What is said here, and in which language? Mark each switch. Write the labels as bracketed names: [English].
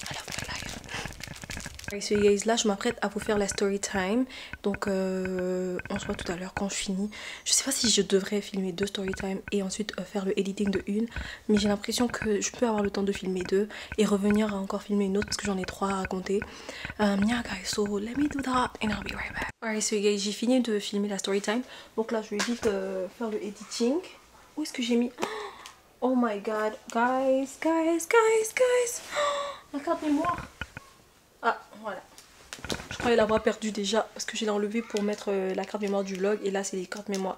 [English] But yeah, guys, I love my life. Alright, so guys, [French] là, je m'apprête à vous faire la story time. Donc, on se voit tout à l'heure quand je finis. Je sais pas si je devrais filmer deux story time et ensuite faire le editing de une. Mais j'ai l'impression que je peux avoir le temps de filmer deux et revenir à encore filmer une autre parce que j'en ai trois à raconter. [English] Yeah, guys, so let me do that and I'll be right back. Alright, so guys, [French] j'ai fini de filmer la story time. Donc là, je vais vite faire le editing. Où est-ce que j'ai mis... [English] Oh my god, guys, oh, [French] la carte mémoire. Ah, voilà. Je croyais l'avoir perdue déjà parce que je l'ai enlevée pour mettre la carte mémoire du vlog. Et là, c'est les cartes mémoire.